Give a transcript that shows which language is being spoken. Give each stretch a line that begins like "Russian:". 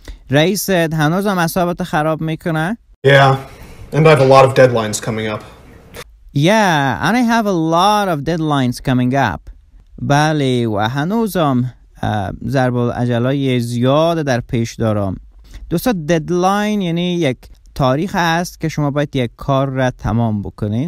Persian: رئیست هنوزم اعصابت خراب میکنه؟
English: Yeah, and I have a lot of deadlines coming up.
Persian: بله و هنوزم ضرب الاجلای زیاد در پیش دارم. دوستا deadline یعنی یک تاریخ است که شما باید یک کار را تمام بکنین.